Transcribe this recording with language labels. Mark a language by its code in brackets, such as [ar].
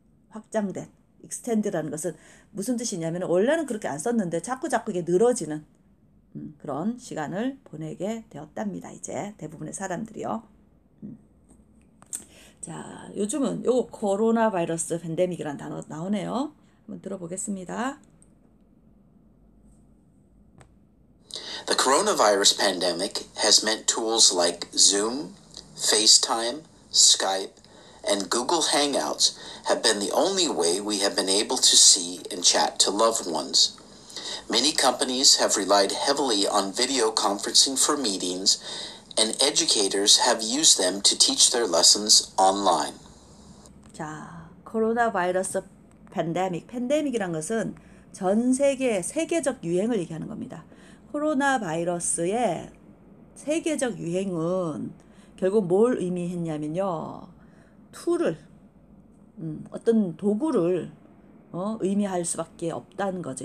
[ko] 확장된, extend라는 것은 무슨 뜻이냐면, 원래는 그렇게 안 썼는데 자꾸 이게 늘어지는 그런 시간을 보내게 되었답니다. 이제 대부분의 사람들이요. 자, 요즘은 요거 코로나 바이러스 팬데믹이란 단어 나오네요. 한번 들어보겠습니다. [en] The coronavirus pandemic has meant tools like Zoom, FaceTime, Skype, and Google Hangouts have been the only way we have been able to see and chat to loved ones. Many companies have relied heavily on video conferencing for meetings, and educators have used them to teach their lessons online. [ko] 자, 코로나 바이러스 팬데믹이란 것은 전 세계적 유행을 얘기하는 겁니다. 코로나 바이러스의 세계적 유행은 결국 뭘 의미했냐면요. 툴을, 어떤 도구를, 의미할 수밖에 없다는 거죠.